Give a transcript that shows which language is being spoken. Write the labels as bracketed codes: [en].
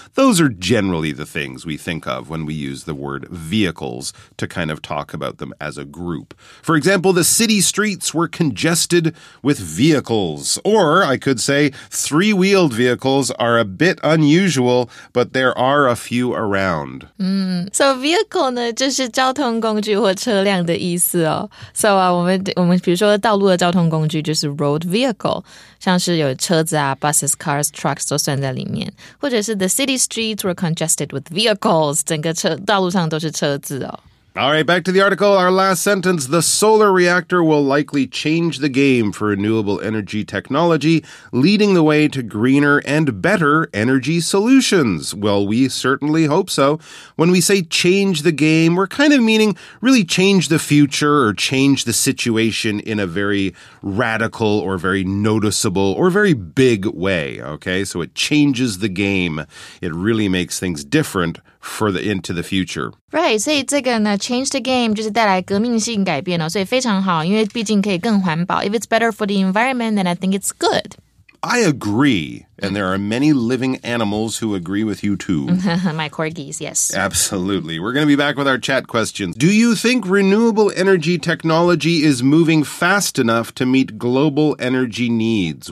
[en] Those are generally the things we think of when we use the word vehicles to kind of talk about them as a group. For example, the city streets were congested with vehicles. Or I could say three-wheeled vehicles are a bit unusual, but there are a few around. [zh] So vehicle 呢就是交通工具或车辆的意思哦。 So 啊，我们比如说道路的交通工具就是 road vehicle， 像是有车子啊 ，buses、cars、trucks 都算在里面，或者是 [en] the city streets were congested with vehicles， [zh] 整个车道路上都是车子哦。 [en] All right, back to the article. Our last sentence, the solar reactor will likely change the game for renewable energy technology, leading the way to greener and better energy solutions. Well, we certainly hope so. When we say change the game, we're kind of meaning really change the future or change the situation in a very radical or very noticeable or very big way. Okay, so it changes the game. It really makes things different. Into the future. [zh] Right, 所以这个呢 change the game 就是带来革命性改变哦，所以非常好，因为毕竟可以更环保。 [en] If it's better for the environment, then I think it's good. I agree, and there are many living animals who agree with you too. My corgis, yes. Absolutely. We're going to be back with our chat questions. Do you think renewable energy technology is moving fast enough to meet global energy needs?